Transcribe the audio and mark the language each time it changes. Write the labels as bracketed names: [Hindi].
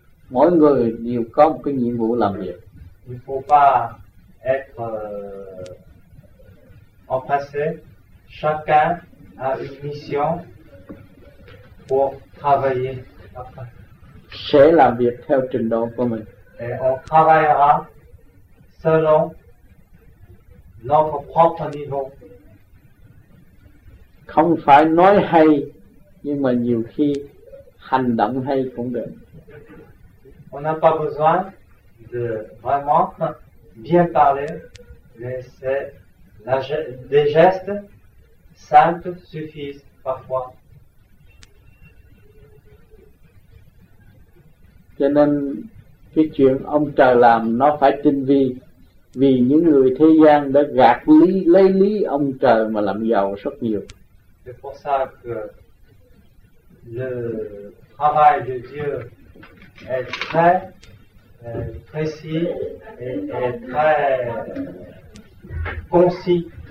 [Vietnamese] Mỗi người đều có một cái nhiệm vụ làm việc. [French] Il faut pas être empressé. Chacun a une mission pour travailler après. [Vietnamese] Sẽ làm việc theo trình độ của mình. [French] Et on travaillera selon notre propre niveau. [Vietnamese] Không phải nói hay, nhưng mà nhiều khi hành động hay cũng được. [French] On n'a pas besoin de vraiment bien parler, mais c'est la, des gestes simples suffisent parfois. [Vietnamese] Cho nên cái chuyện ông trời làm nó phải tinh vi, vì những người thế gian đã gạt lý, lấy lý ông trời mà làm giàu rất nhiều. [French] C'est pour ça que le travail de Dieu est très précis et très concis.